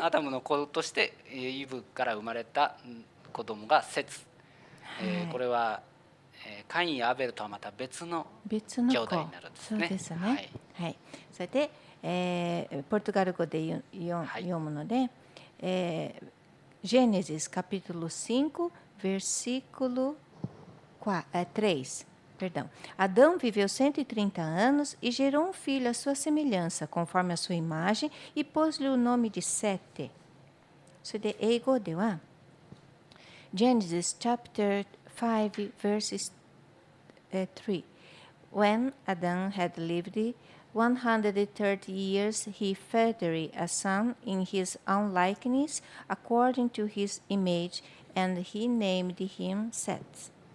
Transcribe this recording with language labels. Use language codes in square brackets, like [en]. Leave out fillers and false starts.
[ja] アダムの子としてイブから生まれた子供がセツ、はい、これはカインやアベルとはまた別の兄弟になるんですね。そうですね、はいはい。それで、ポルトガル語で読むので、はい、ジェネシスカピトル5ヴェルシクル3、 [pt] perdão. Adão viveu 130 anos e gerou um filho à sua semelhança, conforme a sua imagem, e pôs-lhe o nome de Sete. [ja] それで英語では [en] Genesis chapter 5 verses 3. When Adam had lived 130 years, he fathered a son in his own likeness, according to his image, and he named him Seth.